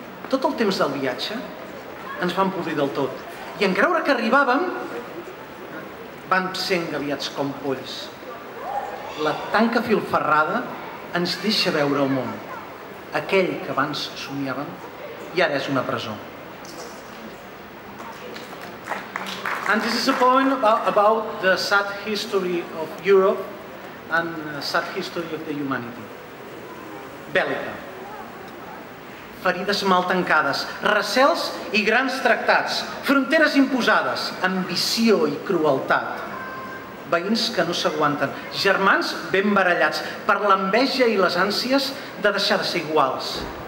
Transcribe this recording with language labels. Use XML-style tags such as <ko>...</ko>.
<ca>Tot el temps del viatge ens vam podrir del tot i en creure que arribàvem vam ser engabiats com polls. La tanca filferrada ens deixa veure el món. Aquell que abans somiàvem i ara és una presó.</ca> <en>And this is a poem about the sad history of Europe and sad history of the humanity.</en> <ca>Bèlica. Ferides mal tancades, recels i grans tractats, fronteres imposades, ambició i crueltat. Veïns que no s'aguanten, germans ben barallats per l'enveja i les ànsies de deixar de ser iguals.</ca>